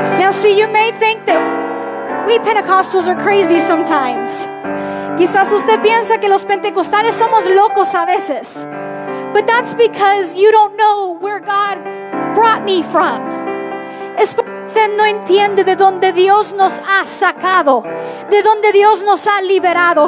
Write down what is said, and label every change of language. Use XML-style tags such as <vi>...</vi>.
<en>see, you may think that we Pentecostals are crazy sometimes.</en> <es>Quizás usted piensa que los pentecostales somos locos a veces.</es> <en>But that's because you don't know where God brought me from.</en> <es>Es porque usted no entiende de donde Dios nos ha sacado, de donde Dios nos ha liberado.</es>